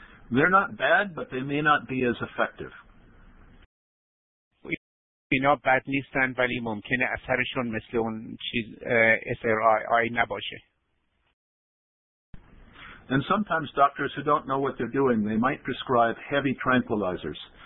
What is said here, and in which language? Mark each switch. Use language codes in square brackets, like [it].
[en] They're not bad, but they may not be as effective. [fa] اینا بد نیستن ولی ممکنه اثرشون مثل اون چیز SRI نباشه. [en] And sometimes doctors who don't know what they're doing, they might prescribe heavy tranquilizers.